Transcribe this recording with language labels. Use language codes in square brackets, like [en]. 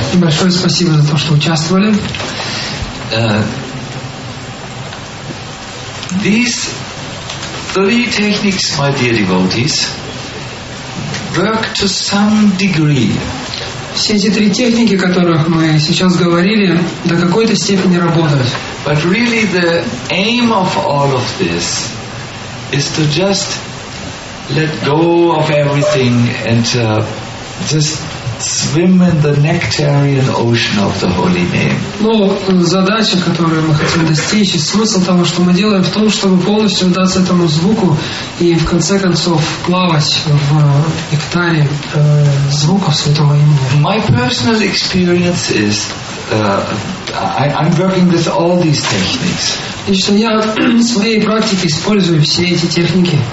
[ru] Большое спасибо за то, что участвовали. [en] These three techniques, my dear devotees, work to some degree. [ru] Все эти три техники, о которых мы сейчас говорили, до какой-то степени работают. [en] But really the aim of all of this is to just let go of everything and just swim in the nectarian ocean of the holy name. [ru] Ну, задача, которую мы хотим достичь, и смысл того, что мы делаем, в том, чтобы полностью отдаться этому звуку и в конце концов плавать в нектаре звуков святого имени. [en] My personal experience is I'm working with all these techniques. [ru] И что я в своей практике использую все эти техники.